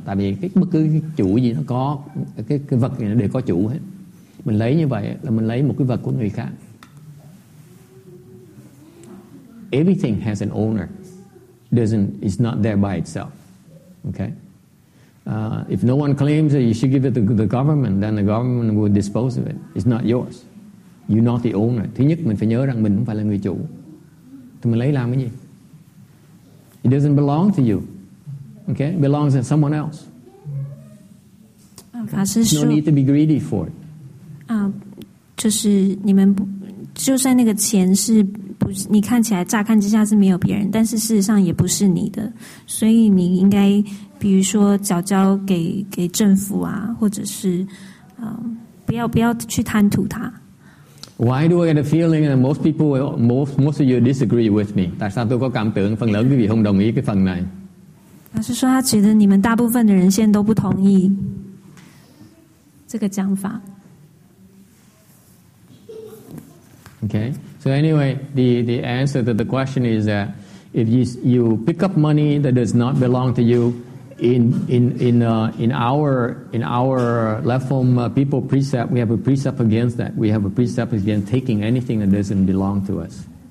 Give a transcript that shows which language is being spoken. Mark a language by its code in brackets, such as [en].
[vi] Tại vì cái bất cứ cái chủ gì nó có cái vật này nó đều có chủ hết. Mình lấy như vậy là mình lấy một cái vật của người khác. [en] Everything has an owner, it's not there by itself. Okay, if no one claims that you should give it to the government, then the government will dispose of it. It's not yours. You're not the owner. [vi] Thứ nhất, mình phải nhớ rằng mình không phải là người chủ. Thì mình lấy làm cái gì? [en] It doesn't belong to you. Okay? It belongs to someone else. There's no need to be greedy for it. [zh] 就是你们不，就算那个钱是不是你看起来乍看之下是没有别人，但是事实上也不是你的，所以你应该。比如说缴交给政府啊，或者是，不要去贪图它。 [en] Why do I get a feeling that most people, most of you disagree with me? [zh] 大家都有感觉，分两批人不同意这份内。老师说他觉得你们大部分的人现在都不同意这个讲法。 [en] Okay, so anyway, the answer to the question is that if you pick up money that does not belong to you. In our left home people precept, we have a precept against that. We have a precept against taking anything that doesn't belong to us.